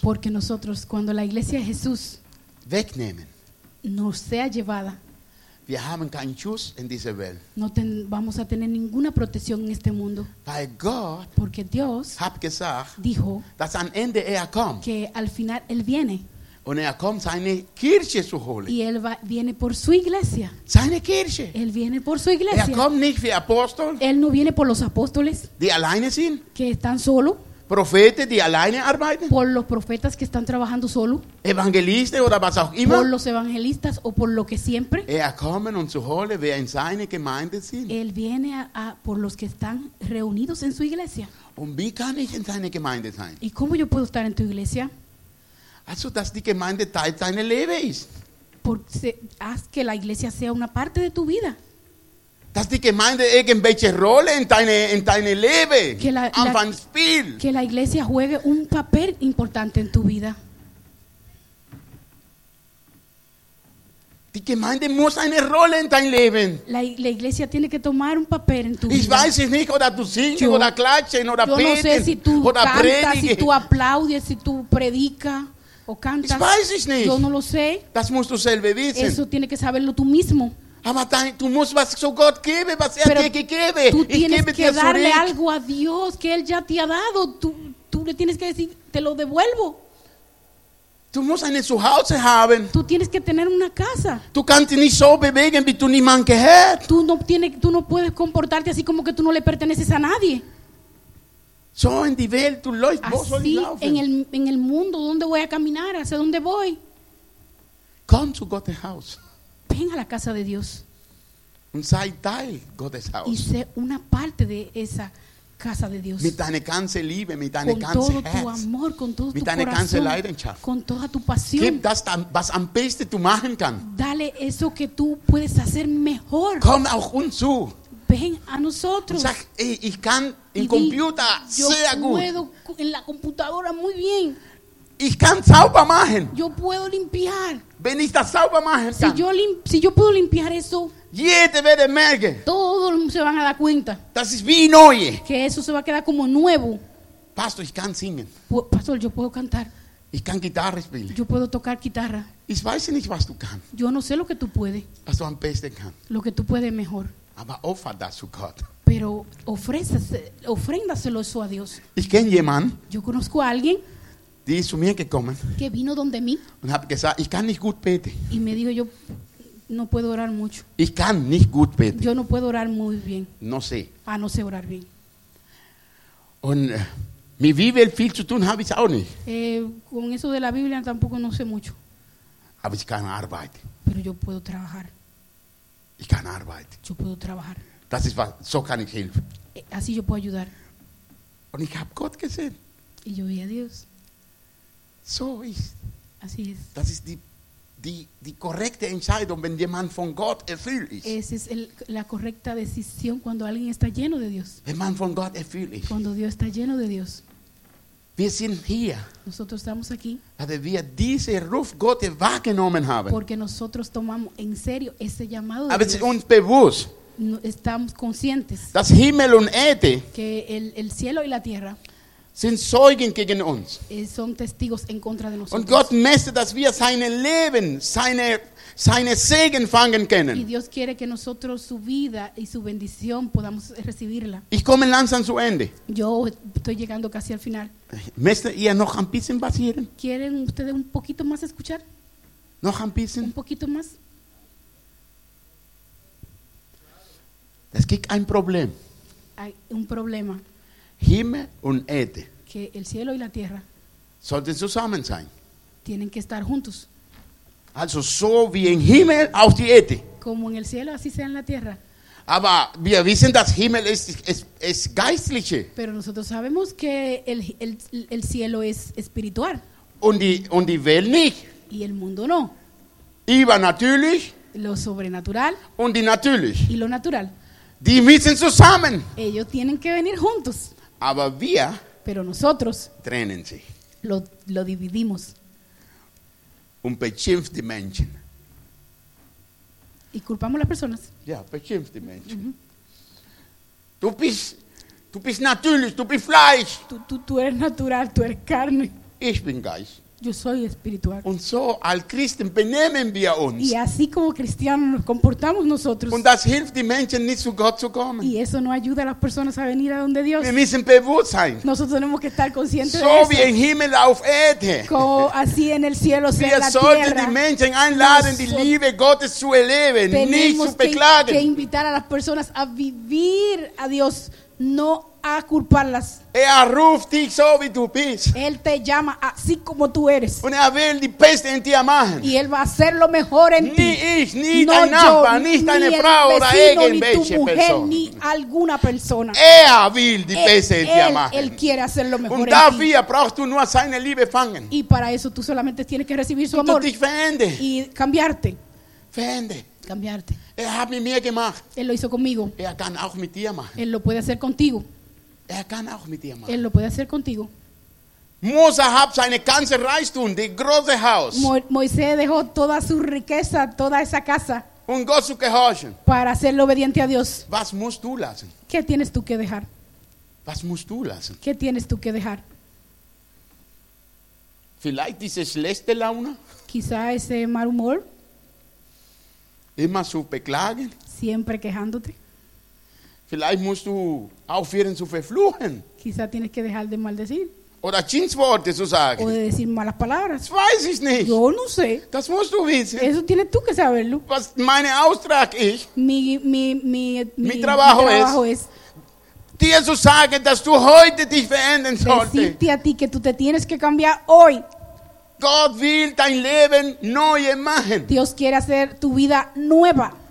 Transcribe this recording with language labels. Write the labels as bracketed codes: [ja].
[es] Porque nosotros cuando la iglesia de Jesús. [de] Wegnehmen. [es] No sea llevada. [de] Wir haben keinen Schutz in dieser Welt. [es] Vamos a tener ninguna protección en este mundo. [en] By God, [es] porque Dios [de] hat gesagt, [es] dijo [de] dass am Ende er kommt. [es] Que al final Él viene. [de] Und er kommt seine Kirche zu holen. [es] Y Él viene por su iglesia. [de] Seine Kirche. [es] Él viene por su iglesia. [de] Er kommt nicht für Apostel, [es] Él no viene por los apóstoles. [de] Die alleine sind. [es] Que están solo. [de] Profeten, die alleine arbeiten. [es] Por los profetas que están trabajando solo. Evangelistas [de] oder was auch immer. [es] Por los evangelistas o por lo que siempre. [de] Er kommen und zu holen, wer in seine Gemeinde sind. [es] Él viene a por los que están reunidos en su iglesia. [de] Und wie kann ich in seine Gemeinde sein? [es] ¿Y cómo yo puedo estar en tu iglesia? [de] Also, dass die Gemeinde Teil deines Lebens ist. [es] Haz que la iglesia sea una parte de tu vida. [de] Dass die Gemeinde irgendwelche Rolle in deine Leben anfangen spielt. [es] Que la iglesia juegue un papel importante en tu vida. [de] Die Gemeinde muss eine Rolle in dein Leben. [es] La iglesia tiene que tomar un papel en tu vida. [de] Ich weiß es nicht, oder du singst, yo, oder klatschen, oder beten, [es] no sé si tú [de] oder [es] cantas, [de] predigen. [es] Si tú aplaudes, si tú predica, o cantas. [de] Ich weiß es nicht. [es] Yo no lo sé. [de] Das musst du selber wissen. [es] Eso tiene que saberlo tú mismo. [de] Aber du musst was zu Gott geben, was er [es] Pero [de] dir gegeben hat. [es] Du tienes que darle algo a Dios que Él ya te ha dado. Tú le tienes que decir, te lo devuelvo. [de] Du musst ein Zuhause haben. [es] Tú tienes que tener una casa. [de] Du kannst nicht so bewegen, wie du niemand gehört. [es] Tú no puedes comportarte así como que tú no le perteneces a nadie. [de] So in die Welt, du läufst, [es] así, [de] vos sollst laufen. [es] En el mundo, ¿dónde voy a caminar? ¿Hacia dónde voy? [en] Come to God's house. [es] Ven a la casa de Dios. [de] Und sei Teil Gottes Haus. [es] Y sé una parte de esa casa de Dios. [de] Mit deiner ganzen Liebe, mit deiner ganzen [es] Con todo tu amor, con todo [de] mit [es] tu corazón. [de] Mit deiner ganzen Leidenschaft. [es] Con toda tu pasión. [de] Gib das dann, was am besten du machen kannst. [es] Dale eso que tú puedes hacer mejor. [de] Komm auch uns zu. [es] Ven a nosotros. [de] Sag, hey, ich kann im Computer sehr gut. [es] Yo puedo en la computadora muy bien. [de] Ich kann sauber machen. [es] Yo puedo limpiar. [de] Wenn ich das sauber machen kann. [es] Si yo puedo limpiar eso. [de] Jeder wird merken. [es] Todos se van a dar cuenta. [de] Das ist wie neue. [es] Que eso se va a quedar como nuevo. [de] Pastor, ich kann singen. [es] Pastor, yo puedo cantar. [de] Ich kann Gitarre spielen. [es] Yo puedo tocar guitarra. [de] Ich weiß nicht, was du kannst. [es] Yo no sé lo que tú puedes. [de] Was du am besten kannst. [es] Lo que tú puedes mejor. [de] Aber opfer das zu Gott. [es] Pero ofréndaselo eso a Dios. [de] Ich kenne jemanden. [es] Yo conozco a alguien. [de] Die ist zu mir gekommen. [es] Que vino donde mí. [de] Und hat gesagt, ich kann nicht gut beten. [es] Y me dijo, yo no puedo orar mucho. [de] Ich kann nicht gut beten. [es] Yo no puedo orar muy bien. No sé. Ah, no sé orar bien. [de] Und mit Bibel viel zu tun habe ich auch nicht. [es] Con eso de la Biblia tampoco no sé mucho. [de] Aber ich kann arbeiten. [es] Pero yo puedo trabajar. [de] Ich kann arbeiten. [es] Yo puedo trabajar. [de] Das ist was, so kann ich helfen. [es] Así yo puedo ayudar. [de] Und ich habe Gott gesehen. [es] Y yo vi a Dios. [de] So ist. [es] Así es. [de] Das ist die korrekte Entscheidung, wenn jemand von Gott erfüllt ist. Es ist [es] la correcta decisión cuando alguien está lleno de Dios. [de] Wenn man von Gott erfüllt ist. [es] Cuando Dios está lleno de Dios. [de] Wir sind hier. [es] Nosotros estamos aquí. [de] Weil wir diesen Ruf Gottes wahrgenommen haben. [es] Porque nosotros tomamos en serio ese llamado. [de] Aber es ist uns bewusst. [es] No, estamos conscientes. [de] Das Himmel und Erde. [es] Que el cielo y la tierra. [de] Sind Zeugen gegen uns. [es] Son testigos en contra de nosotros. [de] Und Gott möchte, dass wir sein Leben, seine Segen fangen können. [es] Y Dios quiere que nosotros su vida y su bendición podamos recibirla. [de] Ich komme langsam zu Ende. [es] Yo estoy llegando casi al final. [de] Möchte ihr noch ein bisschen was hören? [es] ¿Quieren ustedes un poquito más escuchar? [de] Noch ein bisschen? [es] Un poquito más. [de] Es gibt ein Problem. [es] Hay un problema. [de] Himmel und Erde. [es] Que el cielo y la tierra. [de] Sollten zusammen sein. [es] Tienen que estar juntos. [de] Also so wie im Himmel auf die Erde. [es] Como en el cielo así sea en la tierra. [de] Aber wir wissen, dass Himmel ist geistliche. [es] Pero nosotros sabemos que el cielo es espiritual. [de] Und die Welt nicht. [es] Y el mundo no. [de] Übernatürlich. [es] Lo sobrenatural. [de] Und die natürlich. [es] Y lo natural. [de] Die müssen zusammen. [es] Ellos tienen que venir juntos. [de] Aber wir. [es] Pero nosotros. [de] Trennen sie. [es] Lo dividimos. [de] Und beschimpft die Menschen. [es] Y culpamos las personas. [de] Ja, beschimpft die Menschen. Mm-hmm. Du bist natürlich, du bist Fleisch. [es] Tú eres natural, tú eres carne. [de] Ich bin Geist. [es] Yo soy espiritual. [de] Und so als Christen benehmen wir uns. [es] Y así como cristianos nos comportamos nosotros. [de] Und das hilft die Menschen nicht zu Gott zu kommen. [es] Y eso no ayuda a las personas a venir a donde Dios. [de] Wir müssen bewusst sein. [es] Nosotros tenemos que estar conscientes [de] so [es] de eso. [de] Wie im Himmel auf Erde. [es] Como así en el cielo sea [de] wir [es] en la tierra. [de] Wir sollten die Menschen einladen, die Liebe Gottes zu erleben, nicht zu beklagen. [es] Tenemos que invitar a las personas a vivir a Dios, no a culparlas. [de] Er ruft dich so wie du bist. [es] Él te llama así como tú eres. [de] Und er will die Beste in dir machen. [es] Y él va a hacer lo mejor en ti. Ni [de] ich, [es] ni no [de] dein Nachbar, [es] ni [de] deine Frau oder irgendwelche [es] ni tu mujer, [de] Person. [es] Ni alguna persona. [de] Er will die Beste in dir machen. [es] Él quiere hacer lo mejor [de] und [es] en [de] dafür [es] ti. [de] Brauchst du nur seine Liebe fangen. [es] Y para eso tú solamente tienes que recibir su [de] und [es] amor. [de] Du dich verende. [es] Y cambiarte. [de] Verende. [es] Cambiarte. [de] Er hat mit mir gemacht. [es] Él lo hizo conmigo. [de] Er kann auch mit dir machen. [es] Él lo puede hacer contigo. [de] Er kann auch mit dir machen. [es] Él lo puede hacer contigo. [de] Mose hat seine ganze Reichtum, das große Haus. [es] Moisés dejó toda su riqueza, toda esa casa. [de] Um Gott zu gehorchen. [es] Para hacerlo obediente a Dios. [de] Was musst du lassen? [es] ¿Qué tienes tú que dejar? [de] Was musst du lassen? [es] ¿Qué tienes tú que dejar? [de] Vielleicht diese schlechte Laune? [es] Quizá ese mal humor. [de] Immer zu beklagen. [es] Siempre quejándote. [de] Vielleicht musst du aufhören zu verfluchen. [es] Quizá tienes que dejar de maldecir. [de] Oder Schimpfworte zu sagen. Oder [es] decir malas palabras. [de] Das weiß ich nicht. [es] Yo no sé. [de] Das musst du wissen. [es] Eso tienes tú que saberlo. [de] Was mein Auftrag ist. [es] Mi trabajo es. [de] Dir zu sagen, dass du heute dich verändern solltest. [es] Decirte a ti que tú te tienes que cambiar hoy. [de] Gott will dein Leben neue machen. [es] Dios quiere hacer tu vida nueva.